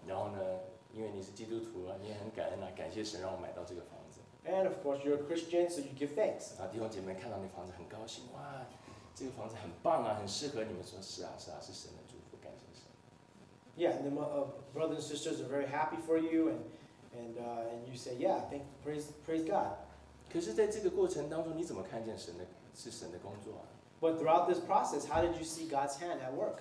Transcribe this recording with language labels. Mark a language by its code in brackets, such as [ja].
[zh] 然后呢，因为你是基督徒啊，你也很感恩啊，感谢神让我买到这个房子。 [en] And of course, you're a Christian, so you give thanks. [zh] 啊，弟兄姐妹看到你房子很高兴，哇，这个房子很棒啊，很适合你们，说是啊，是啊，是神的祝福，感谢神。 [en] Yeah, and brothers and sisters are very happy for you, and you say, yeah, thank praise God. [zh] 可是在这个过程当中，你怎么看见神的是神的工作啊 [en] ？But throughout this process, how did you see God's hand at work?